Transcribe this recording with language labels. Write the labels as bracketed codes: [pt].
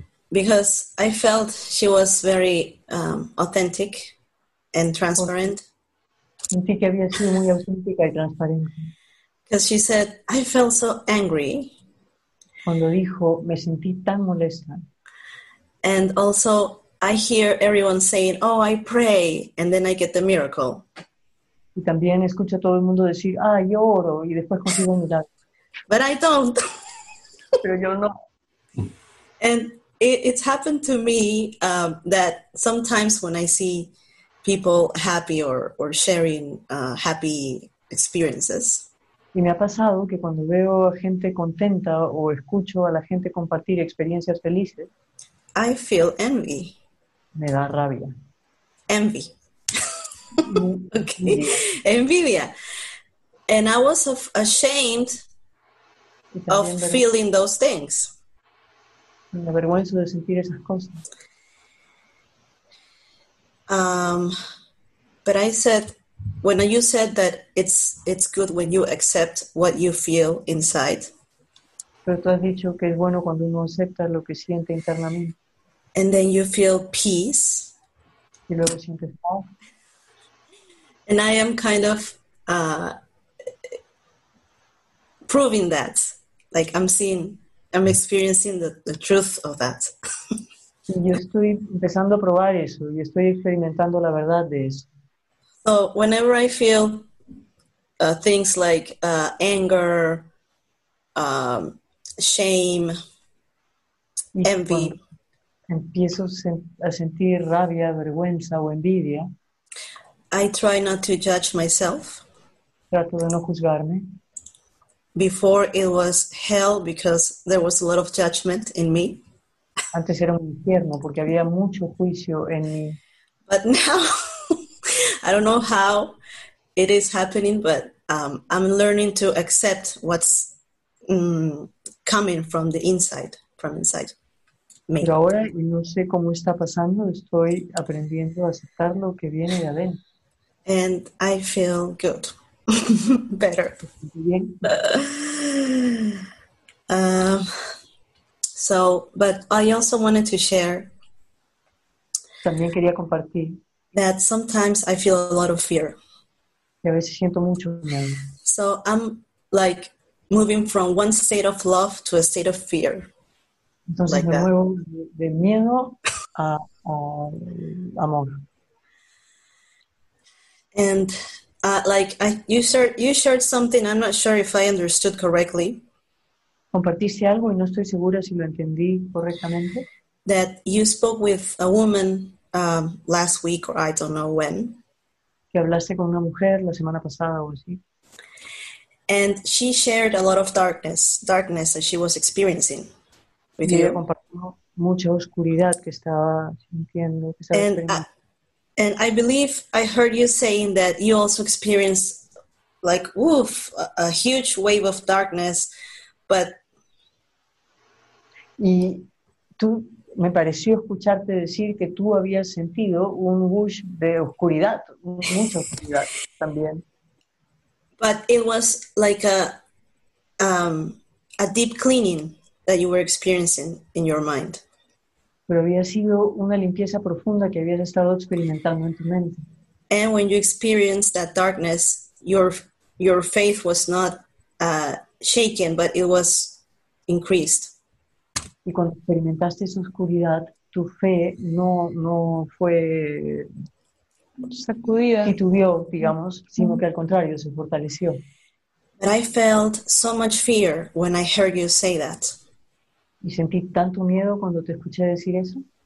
[en] Because I felt she was very authentic and transparent. [es] Sentí que había sido muy auténtica y transparente. [en] Because she said, I felt so angry. [es] Cuando dijo, me sentí tan molesta. [en] And also, I hear everyone saying, oh, I pray, and then I get the miracle. [es] Y también escucho a todo el mundo decir, ah, yo oro, y después consigo un milagro. [en] But I don't. [es] Pero yo no. [en] And it's happened to me that sometimes when I see people happy or sharing happy experiences. [es] Y me ha pasado que cuando veo a gente contenta o escucho a la gente compartir experiencias felices. [en] I feel envy. [es] Me da rabia. [en] Envy. Okay. Envidia. And I was ashamed of feeling those things. [es] Me avergüenzo de sentir esas cosas. [en] But I said, when you said that it's good when you accept what you feel inside. [es] Pero tú has dicho que es bueno cuando uno acepta lo que siente internamente. [en] And then you feel peace. [es] Y luego sientes paz. [en] And I am kind of proving that. Like I'm experiencing the truth of that. [es] Y yo estoy empezando a probar eso y estoy experimentando la verdad de eso. [en] So whenever I feel things like anger, shame, envy. [es] Empiezo a sentir rabia, vergüenza o envidia. [en] I try not to judge myself. [es] Trato de no juzgarme. [en] Before it was hell because there was a lot of judgment in me. [es] Antes era un infierno porque había mucho juicio en mí. [en] But now, I don't know how it is happening, but I'm learning to accept what's coming from the inside, [es] Pero ahora no sé cómo está pasando, estoy aprendiendo a aceptar lo que viene de adentro. [en] And I feel good. Better. [es] Bien. [en] But I also wanted to share. [es] También quería compartir. [en] That sometimes I feel a lot of fear. [es] Y a veces siento mucho miedo. [en] So I'm like moving from one state of love to a state of fear. [es] Entonces [en] like me that. [es] Muevo de miedo a amor. [en] And like I, you shared something. I'm not sure if I understood correctly. [es] Compartiste algo y no estoy segura si lo entendí correctamente. [en] That you spoke with a woman last week, or I don't know when. [es] Que hablaste con una mujer la semana pasada o así. [en] And she shared a lot of darkness that she was experiencing with you. [es] Compartió mucha oscuridad que estaba sintiendo. [en] And I believe I heard you saying that you also experienced, like, woof, a huge wave of darkness, but... [es] Y tú, me pareció escucharte decir que tú habías sentido un whoosh de oscuridad, mucha oscuridad también. [en] But it was like a deep cleaning that you were experiencing in your mind. [es] Pero había sido una limpieza profunda que habías estado experimentando en tu mente. [en] And when you experienced that darkness, your faith was not shaken, but it was increased. [es] Y cuando experimentaste esa oscuridad, tu fe no fue sacudida, titubeó, digamos, sino que al contrario, se fortaleció. [en] But I felt so much fear when I heard you say that. [es] ¿Y sentí tanto miedo cuando te escuché decir eso?